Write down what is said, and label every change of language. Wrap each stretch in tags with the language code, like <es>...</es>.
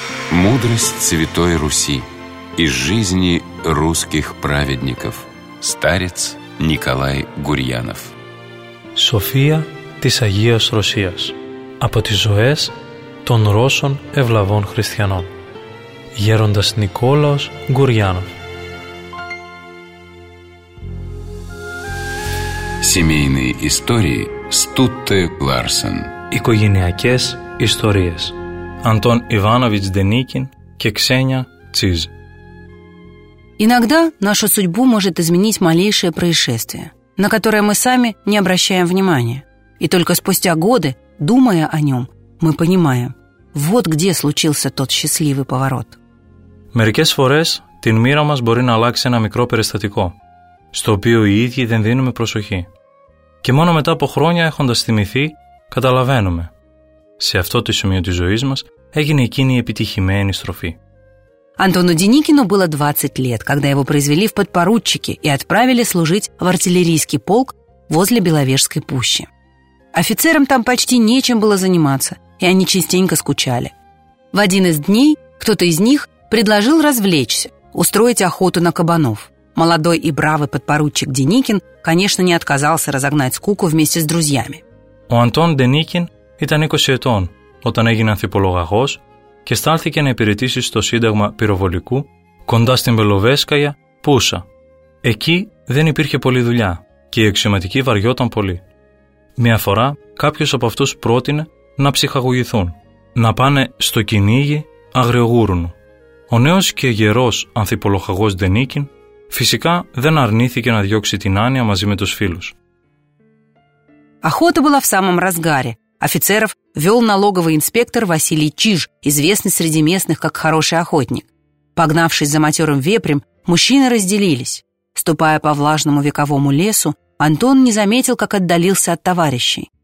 <ru>Мудрость Святой Руси из жизни русских праведников. Старец Николай Гурьянов.</ru> <el>София της Αγίας Ρωσίας. Από τις ζωές των Ρώσων ευλαβών χριστιανών. Γέροντας Νικόλαος Γκουριάνοφ.</el> <ru>Семейные истории Стутте Ларсен.</ru> <el>Οικογενειακές ιστορίες.</el> <ru>Антон Иванович Деникин и Ксения Циз. Иногда нашу судьбу может изменить малейшее происшествие, на которое мы сами не обращаем внимания. И только спустя годы, думая о нем, мы понимаем, вот где случился тот счастливый поворот.</ru> <el>Мерικές φορές την μοίρα μας μπορεί να αλλάξει ένα μικρό περιστατικό, στο οποίο οι ίδιοι δεν δίνουμε προσοχή. Και μόνο μετά από χρόνια έχοντας θυμηθεί, καταλαβαίνουμε. Σε αυτό το σημείο της ζωής μας έγινε εκείνη η επιτυχημένη στροφή.</el> <ru>Антону Деникину было 20 лет, когда его произвели в подпоручики и отправили служить в артиллерийский полк возле Беловежской пущи. Офицерам там почти нечем было заниматься, и они частенько скучали. В один из дней кто-то из них предложил развлечься, устроить охоту на кабанов. Молодой и бравый подпоручик Деникин, конечно, не отказался разогнать скуку вместе с друзьями. У Антона Деникина</ru> <el>ήταν 20 ετών όταν έγινε ανθιπολογαγός και στάλθηκε να υπηρετήσει στο Σύνταγμα Πυροβολικού κοντά στην Μπελοβέσκαγια, Πούσα. Εκεί δεν υπήρχε πολλή δουλειά και η αξιωματική βαριόταν πολύ. Μια φορά κάποιος από αυτούς πρότεινε να ψυχαγωγηθούν, να πάνε στο κυνήγι αγριογούρουνου. Ο νέος και γερός ανθιπολογαγός Ντενίκιν φυσικά δεν αρνήθηκε να διώξει την άνοια μαζί με τους φίλους.</el> <ru>Охота была в самом разгаре. Офицеров вел налоговый инспектор Василий Чиж, известный среди местных как хороший охотник. Погнавшись за матерым вепрем, мужчины разделились. Ступая по влажному вековому лесу, Антон не заметил, как отдалился от товарищей.</ru>